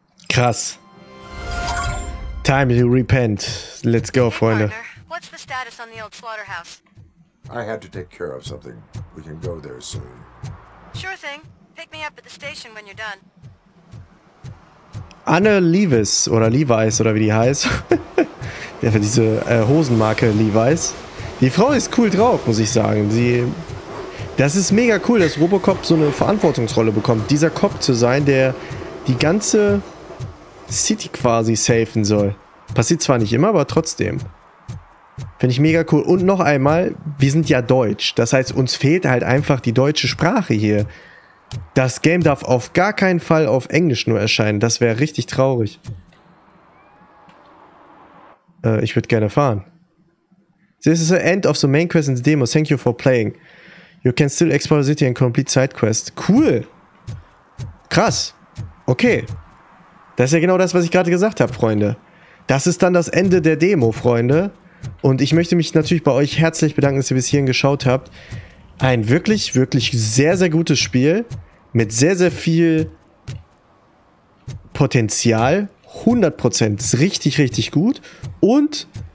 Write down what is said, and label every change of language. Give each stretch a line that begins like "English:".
English: Krass. Time to repent. Let's go, Freunde. Partner, what's the status on the old slaughterhouse? I had to take care of something. We can go there soon. Sure thing. Pick me up at the station when you're done.
German: Anne Levis oder Levi's oder wie die heißt. Ja, für diese Hosenmarke Levi's. Die Frau ist cool drauf, muss ich sagen. Das ist mega cool, dass RoboCop so eine Verantwortungsrolle bekommt. Dieser Cop zu sein, der die ganze City quasi safen soll. Passiert zwar nicht immer, aber trotzdem. Finde ich mega cool. Und noch einmal, wir sind ja Deutsch. Das heißt, uns fehlt halt einfach die deutsche Sprache hier. Das Game darf auf gar keinen Fall auf Englisch nur erscheinen. Das wäre richtig traurig. Ich würde gerne fahren.
English: This is the end of the main quest in the demo. Thank you for playing. You can still explore the city and complete side quests.
German: Cool. Krass. Okay. Das ist ja genau das, was ich gerade gesagt habe, Freunde. Das ist dann das Ende der Demo, Freunde. Und ich möchte mich natürlich bei euch herzlich bedanken, dass ihr bis hierhin geschaut habt. Ein wirklich, wirklich sehr, sehr gutes Spiel. Mit sehr, sehr viel Potenzial. 100%. Ist richtig, richtig gut. Und